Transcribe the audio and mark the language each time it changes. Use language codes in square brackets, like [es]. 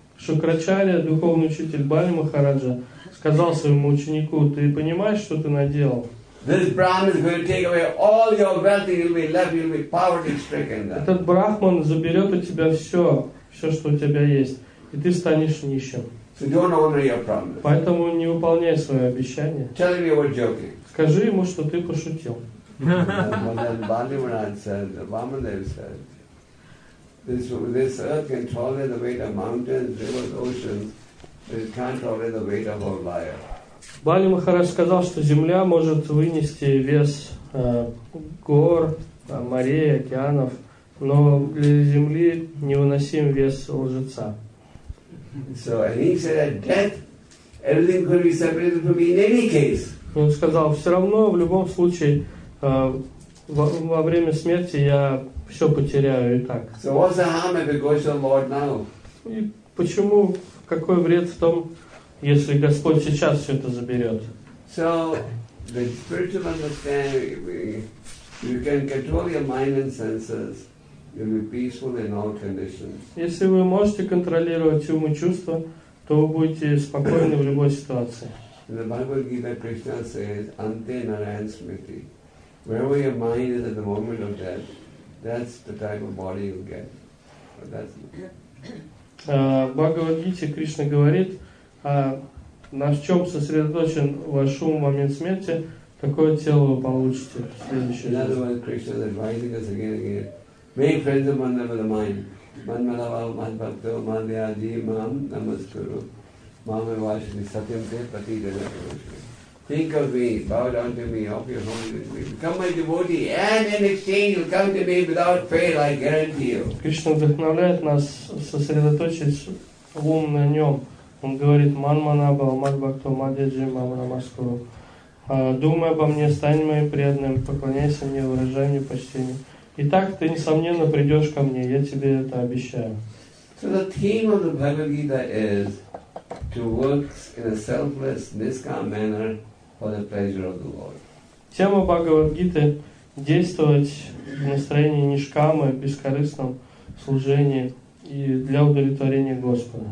[ru] Шукрачарья, духовный учитель Бали Махараджа, сказал своему ученику: "Ты понимаешь, что ты наделал? [en] This Brahman is going to take away all your wealth. You'll be left. You'll be poverty stricken. [ru] Этот брахман заберет у тебя все, что у тебя есть, и ты станешь нищим. [en] So don't honor your promise. [ru] Поэтому не выполняй свое обещание. [en] Tell him you're joking. [ru] Скажи ему, что ты пошутил. [en] Бали Махараджа said. This earth can tolerate the weight of mountains, rivers, oceans, but it can't tolerate the weight of our liar. [ru] Бали Махарадж сказал, что земля может вынести вес гор, морей, океанов, но для земли невыносим вес лжеца. [en] So and he said that death, everything could be separated from me in any case. [ru] Он сказал, все равно в любом случае во время смерти я все потеряю и так. [en] So what's the harm if it goes to the Lord now? [ru] И почему, какой вред в том, если Господь сейчас все это заберет? [en] So the spiritual understanding, you can control your mind and senses, you'll be peaceful in all conditions. [ru] Если вы можете контролировать ум и чувства, то вы будете спокойны в любой ситуации. [en] In the Bhagavad Gita, Krishna says, [sa] "Ante Narayan Smriti, [en] wherever your mind is at the moment of death." That's the type of body you get. That's [ru] в Бхагавад-гите Кришна говорит, на чем сосредоточен ваш ум в момент смерти, такое тело вы получите в следующей жизни. [en] In other words, Krishna is advising us again and again. Make friends of one with the mind. [sa] Man malava, man bhakto, man vyaji, man namaskuru. Man vivashini satyam te pati dhanakurushka. [en] Think of me, bow down to me, offer your homage to me, become my devotee, and in exchange you'll come to me without fail, I guarantee you. [ru] Кришна вдохновляет нас сосредоточить ум на нем. Он говорит, [sa] ман манабал, мат бхакто, мат яджи, мам намаскуру. [ru] Думай обо мне, стань моим преданным, поклоняйся мне, выражай мне почтение. Итак, ты, несомненно, придешь ко мне, я тебе это обещаю. [en] So the theme of the Bhagavad Gita is to work in a selfless, niskam manner for the pleasure of the Lord. [ru] Тема Бхагавад Гиты – действовать в настроении нишкамы, бескорыстном служении и для удовлетворения Господа.